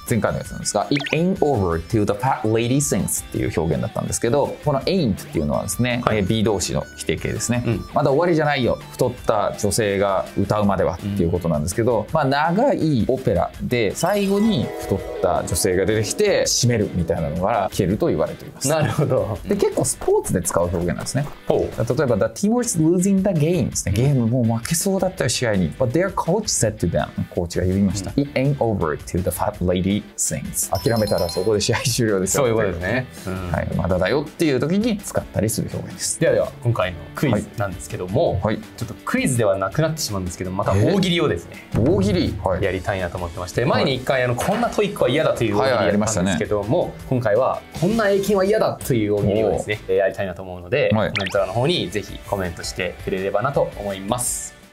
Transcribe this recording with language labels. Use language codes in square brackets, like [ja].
[ja] 前回のやつなんですが、 It ain't over till the fat lady sings っていう表現だったんですけど、この ain't っていうのはですね、はい、B 動詞の否定形ですね、うん、まだ終わりじゃないよ、太った女性が歌うまではっていうことなんですけど、うん、まあ長いオペラで最後に太った女性が出てきて締めるみたいなのが聞けると言われています。なるほど。で結構スポーツで使う表現なんですね。ほう。 [en] 例えば The team was losing the game ですね、ゲームもう負けそうだったよ試合に、 But their coach said to them、コーチが言いました、うん、It ain't overTo the fat lady sings。 [ja] 諦めたらそこで試合終了ですよ。そういうことですね、うん、はい、まだだよっていう時に使ったりする表現です。ではでは今回のクイズなんですけども、はい、ちょっとクイズではなくなってしまうんですけど、また大喜利をですね、大喜利、はい、やりたいなと思ってまして、前に一回こんなトイックは嫌だという大喜利やったんですけども、はいはいね、今回はこんな英検は嫌だという大喜利をですねやりたいなと思うので、はい、コメント欄の方にぜひコメントしてくれればなと思います。